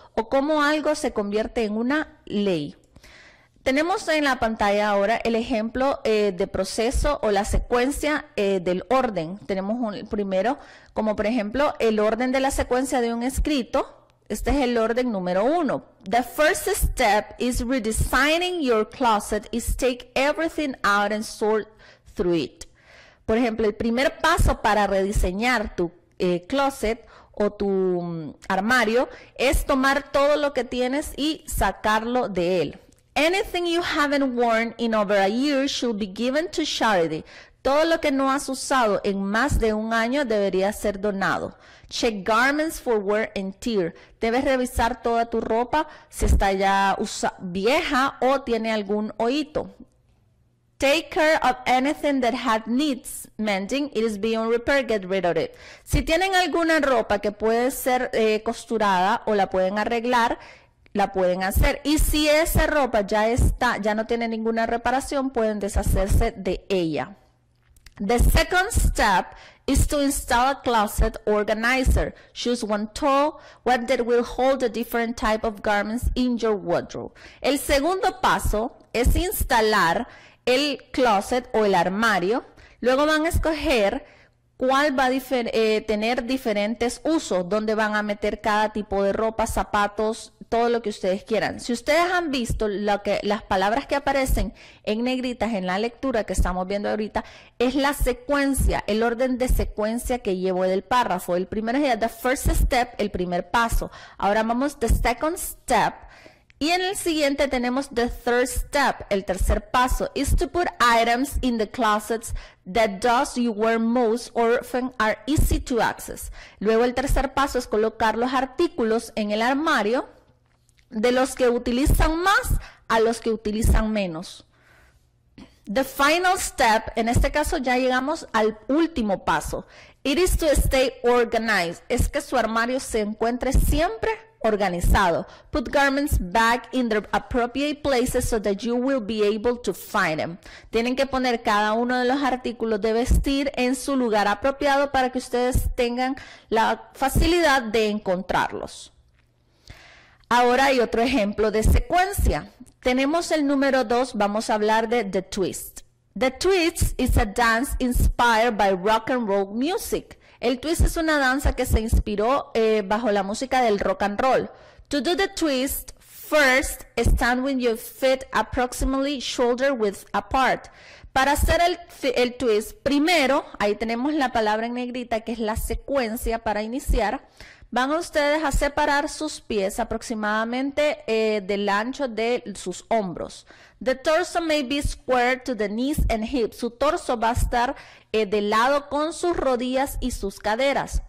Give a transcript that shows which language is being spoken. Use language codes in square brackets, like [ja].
[es] O cómo algo se convierte en una ley. Tenemos en la pantalla ahora el ejemplo de proceso o la secuencia del orden. Tenemos primero, como por ejemplo, el orden de la secuencia de un escrito. Este es el orden número uno. [en] The first step is redesigning your closet is take everything out and sort through it. [es] Por ejemplo, el primer paso para rediseñar tu closet o tu armario es tomar todo lo que tienes y sacarlo de él. [en] Anything you haven't worn in over a year should be given to charity. [es] Todo lo que no has usado en más de un año debería ser donado. [en] Check garments for wear and tear. [es] Debes revisar toda tu ropa si está ya vieja o tiene algún hoyito. [en] Take care of anything that had needs mending, it is beyond repair, get rid of it. [es] Si tienen alguna ropa que puede ser costurada o la pueden arreglar, la pueden hacer. Y si esa ropa ya no tiene ninguna reparación, pueden deshacerse de ella. [en] The second step is to install a closet organizer. Choose one tall, one that will hold a different type of garments in your wardrobe. [es] El segundo paso es instalar el closet o el armario. Luego van a escoger cuál va a tener diferentes usos, dónde van a meter cada tipo de ropa, zapatos, todo lo que ustedes quieran. Si ustedes han visto las palabras que aparecen en negritas en la lectura que estamos viendo ahorita, es la secuencia, el orden de secuencia que llevo del párrafo. El primero es [en] the first step, [es] el primer paso. Ahora vamos [en] the second step. [es] Y en el siguiente tenemos [en] the third step, [es] el tercer paso, [en] is to put items in the closets that those you wear most often are easy to access. [es] Luego el tercer paso es colocar los artículos en el armario de los que utilizan más a los que utilizan menos. [en] The final step, [es] en este caso ya llegamos al último paso. [en] It is to stay organized. [es] Es que su armario se encuentre siempre organizado. [en] Put garments back in their appropriate places so that you will be able to find them. [es] Tienen que poner cada uno de los artículos de vestir en su lugar apropiado para que ustedes tengan la facilidad de encontrarlos. Ahora hay otro ejemplo de secuencia. Tenemos el número 2, vamos a hablar de The Twist. [en] The Twist is a dance inspired by rock and roll music. [es] El twist es una danza que se inspiró bajo la música del rock and roll. [en] To do the twist, first stand with your feet approximately shoulder width apart. [es] Para hacer el twist, primero, ahí tenemos la palabra en negrita que es la secuencia para iniciar, van ustedes a separar sus pies aproximadamente del ancho de sus hombros. [en] The torso may be square to the knees and hips. [es] Su torso va a estar de lado con sus rodillas y sus caderas.